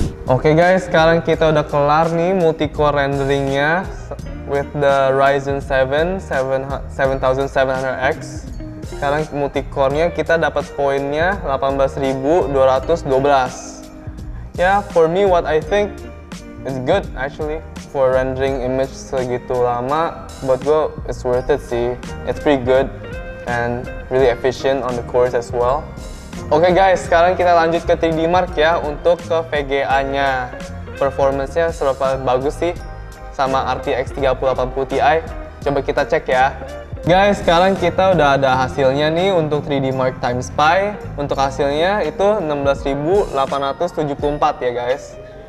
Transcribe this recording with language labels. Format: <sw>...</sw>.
<id>Oke guys, sekarang kita udah kelar nih multi-core renderingnya with the Ryzen 7 7700X. Sekarang multi-core-nya kita dapat poinnya 18212.</id> <en>Ya, for me what I think is good actually for rendering image segitu lama, but well, it's worth it sih. It's pretty good and really efficient on the cores as well.</en> <id>Oke guys, sekarang kita lanjut ke 3D Mark ya, untuk ke VGA-nya. Performance-nya seberapa bagus sih sama RTX 3080 Ti. Coba kita cek ya. Guys, sekarang kita udah ada hasilnya nih untuk 3D Mark Time Spy. Untuk hasilnya itu 16.874 ya guys.</id>